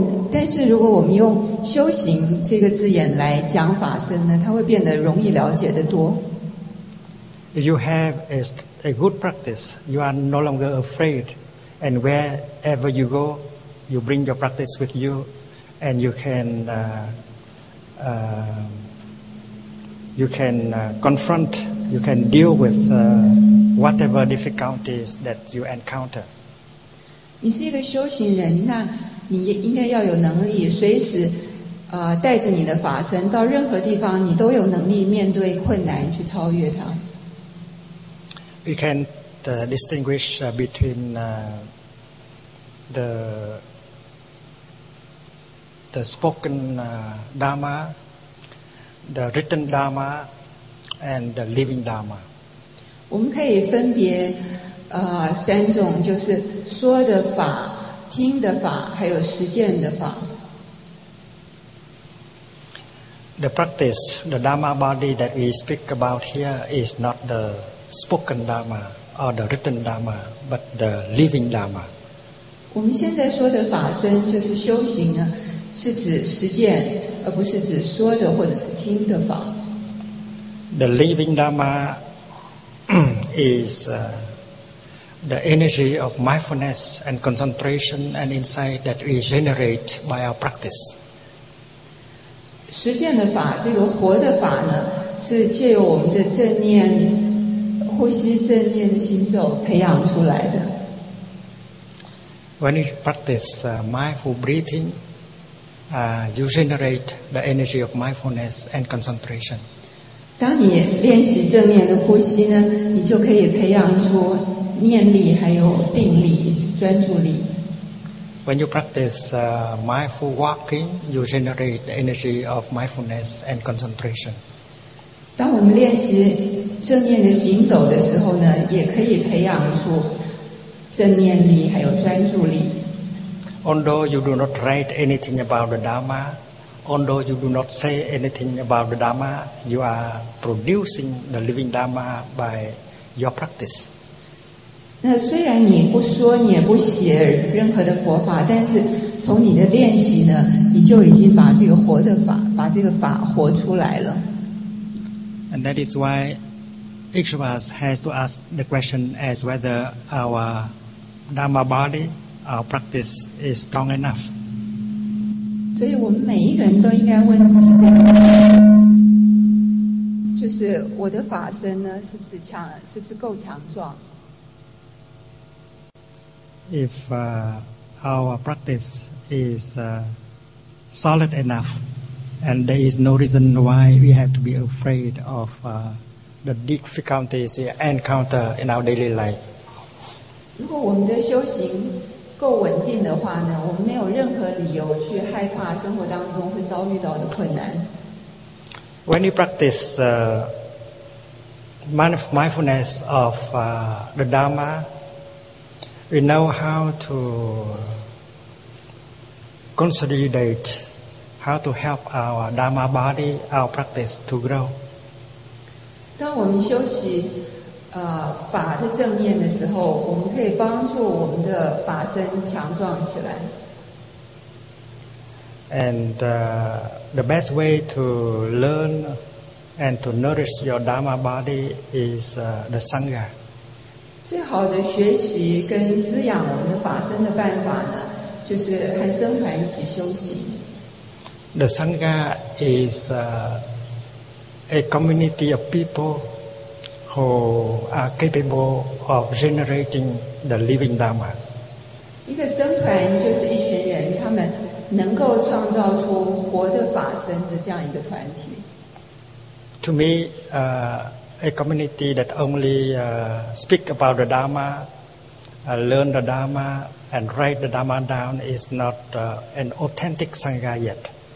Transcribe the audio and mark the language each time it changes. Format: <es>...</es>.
<zh>但是如果我们用修行这个字眼来讲法身呢，它会变得容易了解得多。</zh> <en>If you have a good practice, you are no longer afraid, and wherever you go, you bring your practice with you, and you can deal with whatever difficulties that you encounter.</en> <zh>你是一个修行人，那你应该要有能力随时带着你的法身到任何地方，你都有能力面对困难去超越它。</zh> <en>We can distinguish between the spoken Dharma, the written Dharma, and the living Dharma.</en> <zh>我们可以分别三种，就是说的法、听的法，还有实践的法。</zh> <en>The practice, the Dharma body that we speak about here is not the spoken Dharma or the written Dharma, but the living Dharma.</en> <zh>我们现在说的法身就是修行呢，是指实践，而不是指说的或者是听的法。</zh> <en>The living Dharma is the energy of mindfulness and concentration and insight that we generate by our practice.</en> <zh>实践的法，这个活的法呢，是借由我们的正念、呼吸、正念的行走培养出来的。</zh> <en>When you practice mindful breathing, you generate the energy of mindfulness and concentration.</en> <zh>当你练习正念的呼吸呢，你就可以培养出念力还有定力、专注力。</zh> <en>When you practice mindful walking, you generate the energy of mindfulness and concentration.</en> <zh>当我们练习正念的行走的时候呢，也可以培养出正念力还有专注力。</zh> <en>Although you do not write anything about the Dharma, although you do not say anything about the Dharma, you are producing the living Dharma by your practice.</en> <zh>那虽然你不说，你也不写任何的佛法，但是从你的练习呢，你就已经把这个活的法，把这个法活出来了。</zh> <en>And that is why each of us has to ask the question as whether our Dharma body, our practice is strong enough.</en> <zh>所以我们每一个人都应该问自己这个，就是我的法身呢，是不是强，是不是够强壮？</zh> <en>If our practice is solid enough, and there is no reason why we have to be afraid of the difficulties we encounter in our daily life.</en> <zh>如果我们的修行够稳定的话呢，我们没有任何理由去害怕生活当中会遭遇到的困难。</zh> <en>When you practice mindfulness of the Dharma. We know how to consolidate, how to help our Dharma body, our practice to grow.</en> <zh>当我们修习法的正念的时候，我们可以帮助我们的法身强壮起来。</zh> <en>And the best way to learn and to nourish your Dharma body is the Sangha.</en> <zh>最好的学习跟滋养我们的法身的办法呢，就是和僧团一起修行。</zh> <en>The Sangha is a community of people who are capable of generating the living Dharma.</en> <zh>一个僧团就是一群人，他们能够创造出活的法身的这样一个团体。</zh> <en>To me, a community that only speak about the Dharma, learn the Dharma, and write the Dharma down is not an authentic Sangha yet.</en>